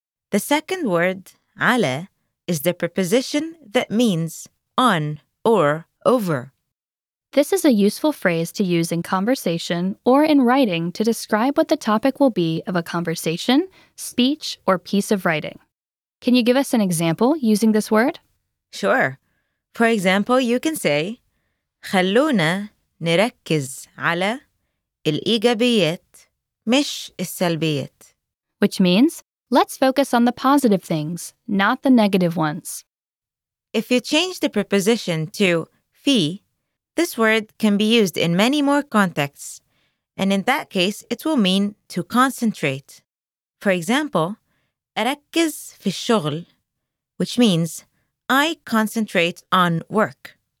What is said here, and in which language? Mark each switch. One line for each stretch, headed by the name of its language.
English: The second word, على, is the preposition that means on or over. This is a useful phrase to use in conversation or in writing to describe what the topic will be of a conversation, speech, or piece of writing. Can you give us an example using this word? Sure. For example, you can say,
Arabic: خلونا نركز على الإيجابيات مش السلبيات.
English: Which means, let's focus on the positive things, not the negative ones. If you change the preposition to في, this word can be used in many more contexts, and in that case, it will mean to concentrate. For example,
Arabic: أركز في الشغل,
English: which means I concentrate on work.